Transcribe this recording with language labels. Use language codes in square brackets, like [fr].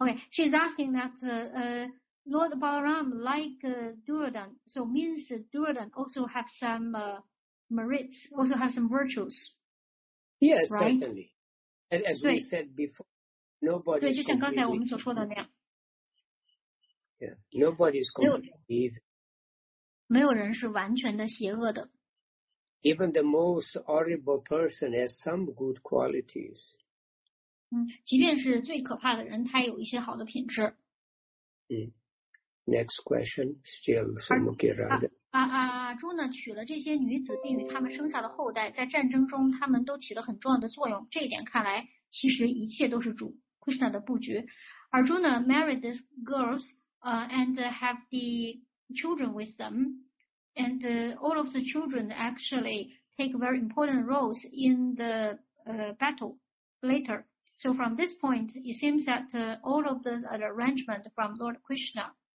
[en] She's asking that, Lord Balaram like Duryodhan, so means Duryodhan also have some merits, also have some virtues. Yes, right? Certainly. As we said before, nobody is completely evil. Nobody is completely evil. [zh] 没有人是完全的邪恶的。 [en] Even the most horrible person has some good qualities. [zh] 即便是最可怕的人，他有一些好的品质。 [en] Next question, still Sumukhi Raja. [zh] 朱呢娶了这些女子，并与他们生下了后代，在战争中他们都起了很重要的作用。这一点看来，其实一切都是主 Krishna 的布局。而朱呢 [en] married these girls, and have the children with them, and all of the children actually take very important roles in the battle later. So from this point, it seems that all of this are arrangement from Lord Krishna.